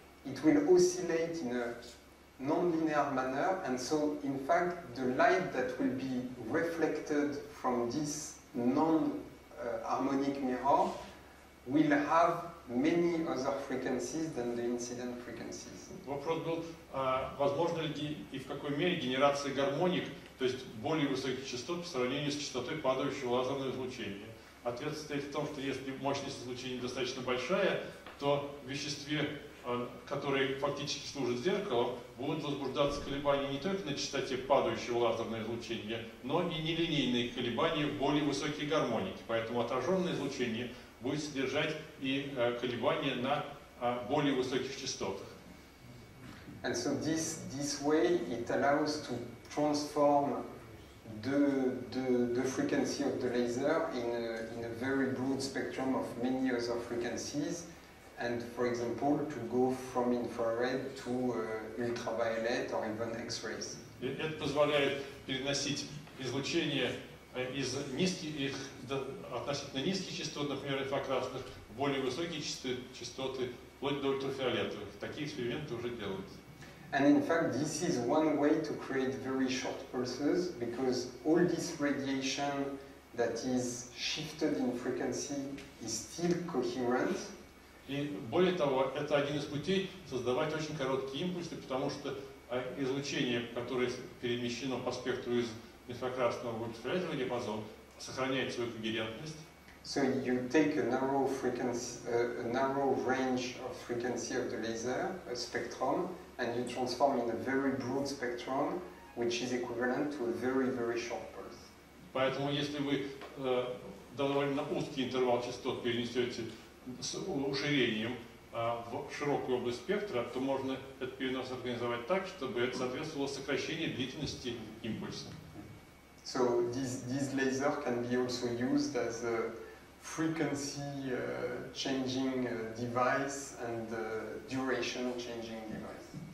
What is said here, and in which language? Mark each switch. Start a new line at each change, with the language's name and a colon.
English: It will oscillate in a non-linear manner. And so, in fact, the light that will be reflected from this non-harmonic mirror will have many other frequencies than the incident frequencies.
Russian: Вопрос был, возможно ли и в какой мере генерация гармоник, то есть более высоких частот, по сравнению с частотой падающего лазерного излучения. Ответ состоит в том, что если мощность излучения достаточно большая, то в веществе, которое фактически служит зеркалом, будут возбуждаться колебания не только на частоте падающего лазерного излучения, но и нелинейные колебания в более высокие гармоники. Поэтому отраженное излучение будет содержать и колебания на более высоких частотах.
English: And so this way it allows to transform the frequency of the laser in a very broad spectrum of many other frequencies, and for example to go from infrared to ultraviolet or even X-rays.
Russian: Это позволяет переносить излучение из низких, относительно низких частот, например, инфракрасных, более высокие частоты, вплоть до ультрафиолетовых. Такие эксперименты уже делаются.
English: And in fact, this is one way to create very short pulses, because all this radiation that is shifted in frequency is still coherent.
Russian: И более того, это один из путей создавать очень короткие импульсы, потому что излучение, которое перемещено по спектру из инфракрасного в ультрафиолетовый диапазон, сохраняет свою когерентность.
English: So you take a narrow frequency, a narrow range of frequency of the laser, a spectrum, and you transform in a very broad spectrum, which is equivalent to a very very short pulse.
Russian: Поэтому если вы довольно узкий интервал частот перенесете с уширением в широкую область спектра, то можно этот перенос организовать так, чтобы это соответствовало сокращению длительности импульса.
English: So this laser can be also used as a frequency changing device and duration changing device.